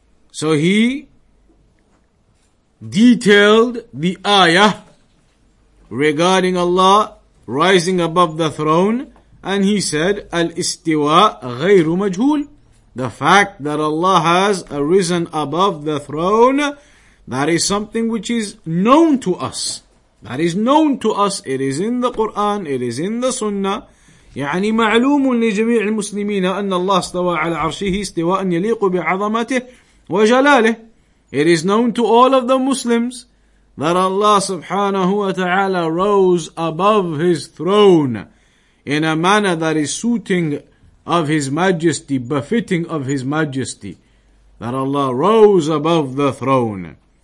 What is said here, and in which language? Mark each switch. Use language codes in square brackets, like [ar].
[en] So he detailed the ayah regarding Allah rising above the throne, and he said, [ar] Al-istiwa ghayru majhul. [en] The fact that Allah has arisen above the throne, that is something which is known to us. That is known to us. It is in the Quran. It is in the Sunnah. [ar] يعني معلوم لجميع المسلمين أن الله استوى على عرشه استواء يليق بعظمته وجلاله. [en] It is known to all of the Muslims that Allah subhanahu wa ta'ala rose above His throne in a manner that is suiting of His Majesty, befitting of His Majesty, that Allah rose above the throne.